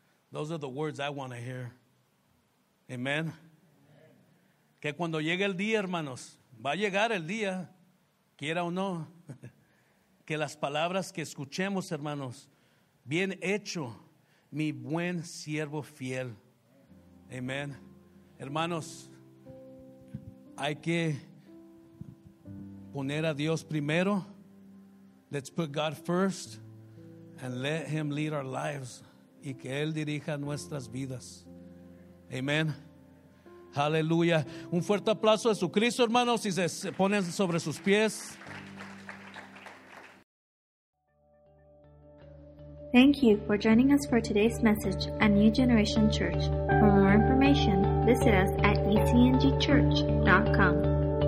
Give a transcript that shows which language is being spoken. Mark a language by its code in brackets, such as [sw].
[en] Those are the words I want to hear. Amen. Amen. [es] Que cuando llegue el día, hermanos, va a llegar el día, quiera o no, que las palabras que escuchemos, hermanos, bien hecho, mi buen siervo fiel. Amen. Hermanos, hay que poner a Dios primero. [en] Let's put God first and let Him lead our lives. [es] Y que Él dirija nuestras vidas. Amen. Hallelujah. Un fuerte aplauso a Jesucristo, hermanos, y se ponen sobre sus pies. [en] Thank you for joining us for today's message at New Generation Church. For more information, visit us at ecngchurch.com.